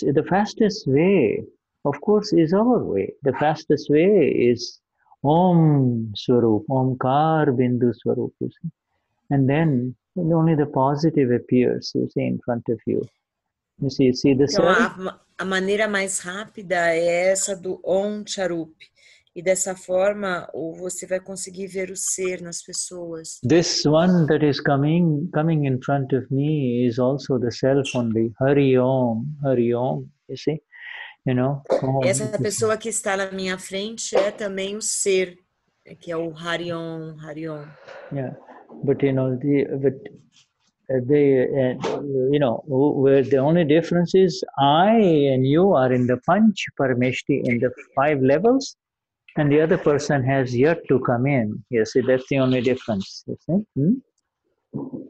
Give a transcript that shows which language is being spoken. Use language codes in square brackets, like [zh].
[en] The fastest way, of course, is our way. The fastest way is Om Swarupa, Omkar Bindu Swarupa, you see? And then only the positive appears, you see, in front of you. You see the [pt] então, a maneira mais rápida é essa do Om Charup. E dessa forma, você vai conseguir ver o ser nas pessoas. [en] This one that is coming in front of me is also the self only. Hari Om, you see? You know? Om. [pt] Essa pessoa que está na minha frente é também o ser, que é o Hari Om, Hari Om. [en] Yeah, but you know, where the only difference is I and you are in the Panch Parameshti in the five levels, and the other person has yet to come in. You see, that's the only difference. You see?